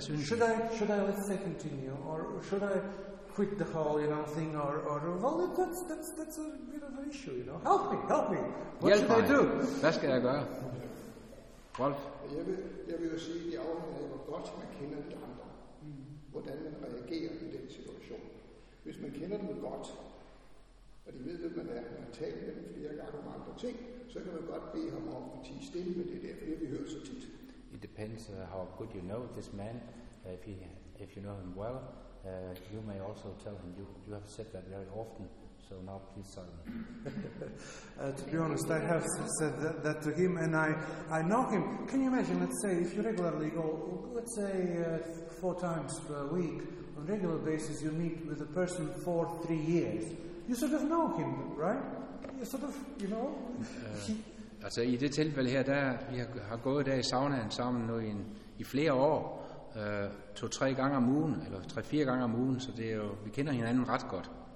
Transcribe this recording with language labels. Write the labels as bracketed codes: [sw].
[en] Should I let it continue, or should I quit the whole, you know, thing, or well, that's a bit of an issue, you know. Help me. What should I do? [da] Hvad skal jeg gøre? Wolf. Jeg vil jo sige, at det afhænger af, hvor godt man kender de andre, hvordan man reagerer i den situation. Hvis man kender dem godt, og de ved, hvem man er, og har talt med dem flere gange om andre ting, så kan man godt bede ham om at tie stille med det der, for det vi hører så tit. [en] It depends how good you know this man, if you know him well, you may also tell him you have said that very often. So now please silence. To be honest, I have said that to him, and I know him. Can you imagine, let's say, if you regularly go, let's say, four times a week, on a regular basis, you meet with a person for 3 years. You sort of know him, right? You sort of, you know? [da] Altså, i det tilfælde her, der vi har gået der i saunaen sammen nu i flere år, to-tre gange om ugen, eller tre-fire gange om ugen, så det er jo, vi kender hinanden ret godt.